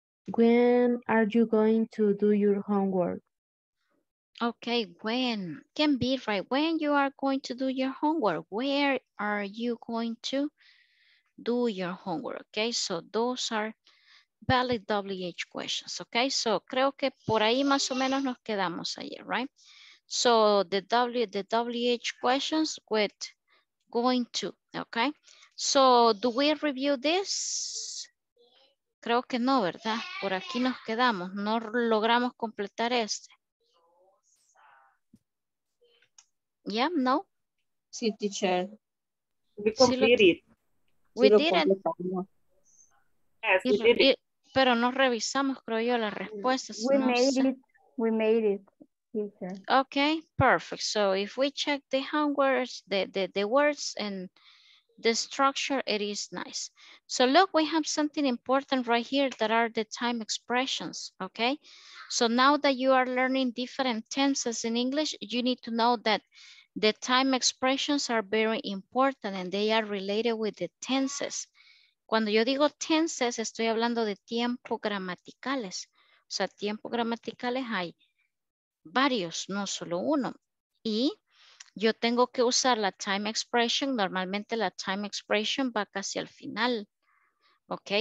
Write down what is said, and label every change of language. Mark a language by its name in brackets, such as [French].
[English] When are you going to do your homework? Okay, when can be right. When you are going to do your homework, where are you going to do your homework? Okay, so those are valid WH questions. [Spanish] Okay, so creo que por ahí más o menos nos quedamos ayer, right? [English] So the WH questions with going to. Okay, so do we review this? [Spanish] Creo que no, ¿verdad? Por aquí nos quedamos, no logramos completar este. [English] Yeah, no. [Spanish] Sí, teacher. [English] We completed. We didn't. Yes, we did it. [Spanish] Pero no revisamos, creo yo, las respuestas. [English] We [Spanish] no [English] made [Spanish] sé. [English] It. We made it, teacher. Okay, perfect. So if we check the hand words, the words and the structure, it is nice. So look, we have something important right here that are the time expressions, okay? So now that you are learning different tenses in English, you need to know that the time expressions are very important and they are related with the tenses. [Spanish] Cuando yo digo tenses, estoy hablando de tiempo gramaticales. O sea, tiempo gramaticales hay varios, no solo uno. Y yo tengo que usar la time expression. Normalmente la time expression va casi al final, ¿ok?